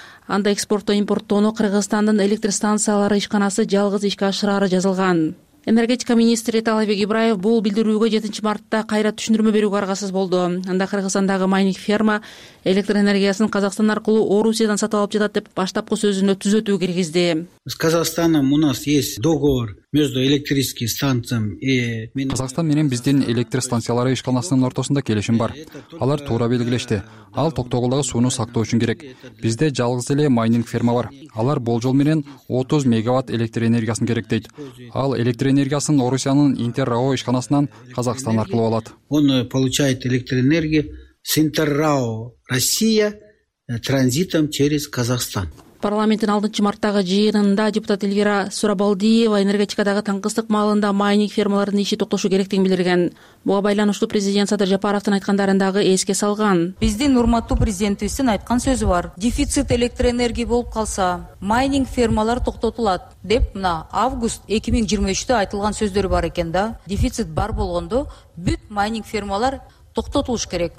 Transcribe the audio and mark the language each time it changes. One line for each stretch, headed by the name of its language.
Kyrgyz: Анда экспортто импорттоону Кыргызстандын электр станциялары ишканасы жалгыз ишке ашырары жазылган. Энергетика министри Талайбек Ибраев бул билдирүүгө 7-мартта кайра түшүндүрмө берүүгө аргасыз болду. Анда Кыргызстандагы майнинг ферма электр энергиясын Казакстан аркылуу Орусиядан сатып алып жатат деп баштапкы сөзүнө түзөтүү киргизди.
Russian: С Казахстаном у нас есть договор между электрическим станциям и
Kyrgyz: Казахстан менен биздин электр станциялары ишканасынын ортосунда келишим бар. Алар туура белгилешти. Ал токтогулдагы сууну сактоо үчүн керек. Бизде жалгыз эле майнинг ферма бар. Алар болжол менен 30 мегаватт электр энергиясын керектейт. Ал электр энергиясын Орусиянын Интеррао ишканасынан Казахстан аркылуу алат.
Russian: Он получает электр энергию с Интеррао Россия транзитом через Казахстан.
Kyrgyz: Парламенттин 6-марттагы жыйынында депутат Элвира Сурабалдиева энергетикадагы таңкыстык маалында майнинг фермаларынын иши токтошу керектигин билдирген. Буга байланыштуу президент Садыр Жапаровдун айткандарын дагы эске салган. Биздин урматтуу президентибиздин айткан сөзү бар. Дефицит электр энергия болуп калса, майнинг фермалар токтотулат деп мына август 2023-тө айтылган сөздөрү бар экен да. Дефицит бар болгондо бүт майнинг фермалар токтотулуш керек.